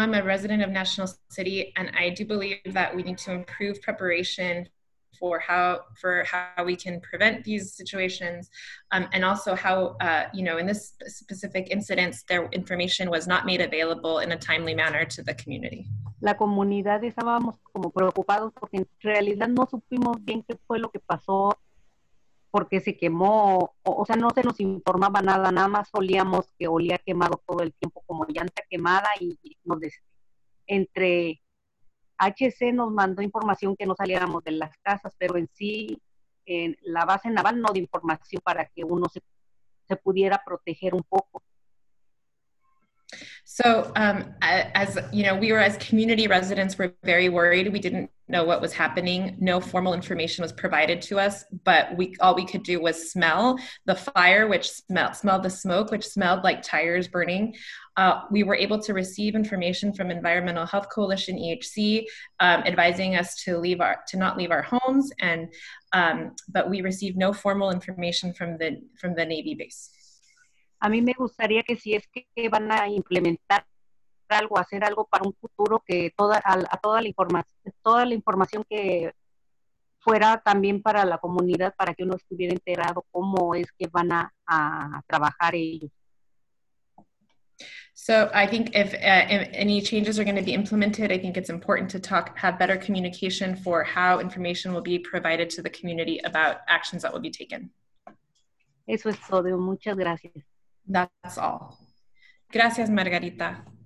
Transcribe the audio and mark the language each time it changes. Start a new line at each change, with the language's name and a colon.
English: I'm a resident of National City, and I do believe that we need to improve preparation for how we can prevent these situations, and also how, you know, in this specific incident, their information was not made available in a timely manner to the community.
Spanish: La comunidad estábamos como preocupados porque en realidad no supimos bien qué fue lo que pasó, porque se quemó, o sea, no se nos informaba nada, nada más olíamos que olía quemado todo el tiempo, como llanta quemada, y nos entre HC nos mandó información que no saliéramos de las casas, pero en sí, en la base naval no dio información para que uno se pudiera proteger un poco.
English: So, as you know, we were, as community residents, were very worried. We didn't know what was happening. No formal information was provided to us, but all we could do was smell the fire, which smelled the smoke, which smelled like tires burning. We were able to receive information from Environmental Health Coalition, EHC, advising us to not leave our homes, but we received no formal information from the Navy base.
Spanish: A mí me gustaría que si es que van a implementar algo, hacer algo para un futuro, que toda la información que fuera también para la comunidad, para que uno estuviera enterado cómo es que van a trabajar ellos.
English: So I think if any changes are going to be implemented, I think it's important to have better communication for how information will be provided to the community about actions that will be taken.
Spanish: Eso es todo. Muchas gracias.
English: That's all. Gracias, Margarita.